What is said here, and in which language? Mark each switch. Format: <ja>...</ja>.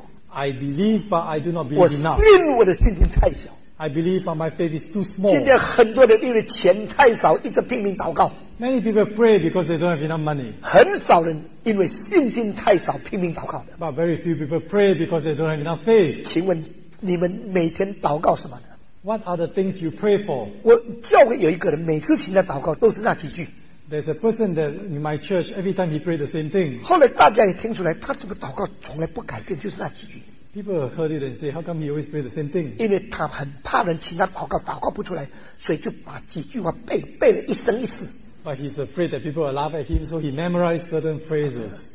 <en>I believe, but I do not believe enough. I believe but my faith is too small.</en> <zh>今天很多人因为钱太少，一直拼命祷告。</zh> <en>Many people pray because they don't have enough money.</en> <zh>很少人因为信心太少拼命祷告的。</zh> <en>But very few people pray because they don't have enough faith.</en> <zh>请问你们每天祷告什么呢？</zh> <en>What are the things you pray for?</en> <zh>我教会有一个人每次请他祷告都是那几句。</zh> <en>There's a person that in my church, every time he prayed the same thing.</en> <zh>后来大家也听出来，他这个祷告从来不改变，就是那几句。</zh> <en>People heard it and say, how come he always pray the same thing?</en> <zh>因为他很怕人请他祷告，祷告不出来，所以就把几句话背了一生一世。</zh> <en>But he's afraid that people will laugh at him, so he memorized certain phrases.</en>